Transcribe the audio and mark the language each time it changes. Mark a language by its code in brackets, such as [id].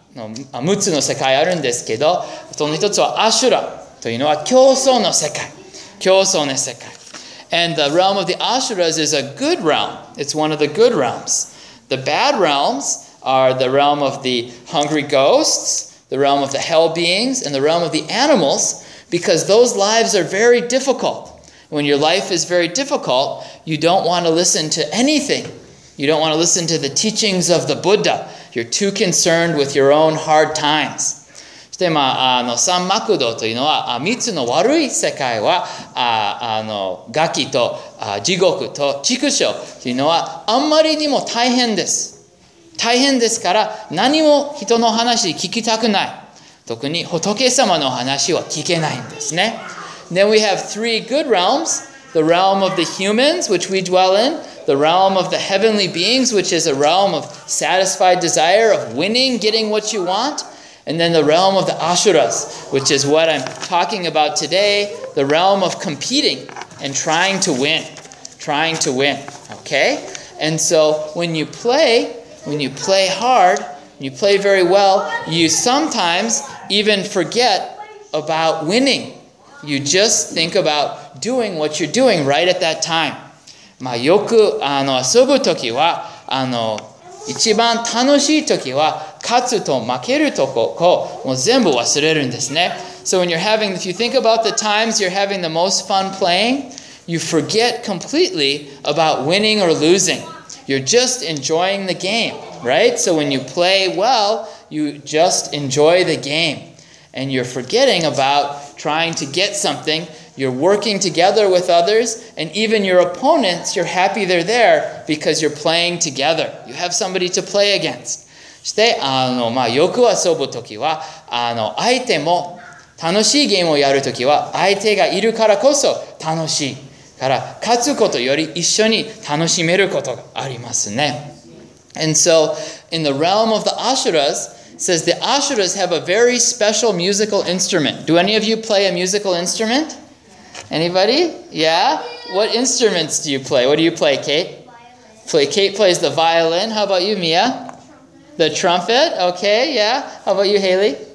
[ja] 6つの世界あるんですけど、その一つはアシュラというのは競争の世界。 [en] And the realm of the Asuras is a good realm. It's one of the good realms. The bad realms are the realm of the hungry ghosts, the realm of the hell beings, and the realm of the animals, because those lives are very difficult. When your life is very difficult, you don't want to listen to anything. You don't want to listen to the teachings of the Buddha. You're too concerned with your own hard times. [ja] そして、まあ、あの、サンマクドというのは、三つの悪い世界は、あの、ガキと、地獄と、畜生というのは、あんまりにも大変です。大変ですから、何も人の話聞きたくない。特に仏様の話は聞けないんですね。 [en] Then we have three good realms. The realm of the humans, which we dwell in. The realm of the heavenly beings, which is a realm of satisfied desire, of winning, getting what you want. And then the realm of the asuras, which is what I'm talking about today. The realm of competing and trying to win. Okay? And so when you play hard, when you play very well, you sometimes even forget about winning. You just think about doing what you're doing right at that time. [ja] まあ、よくあの遊ぶときはあの一番楽しいときは勝つと負けるとこをもう全部忘れるんですね。 [en] So when you're having, if you think about the times you're having the most fun playing, you forget completely about winning or losing. You're just enjoying the game, right? So when you play well, you just enjoy the game. And you're forgetting about trying to get something. You're working together with others, and even your opponents, you're happy they're there because you're playing together. You have somebody to play against. [ja] して、よく遊ぶときは、相手も楽しいゲームをやるときは、相手がいるからこそ楽しい。から、勝つことより一緒に楽しめることがありますね。 [en] And so, in the realm of the Asuras, says the Asuras have a very special musical instrument. Do any of you play a musical instrument? Anybody? Yeah? What instruments do you play? What do you play, Kate? Kate plays the violin. How about you, Mia? The trumpet, okay, yeah. How about you, Haley?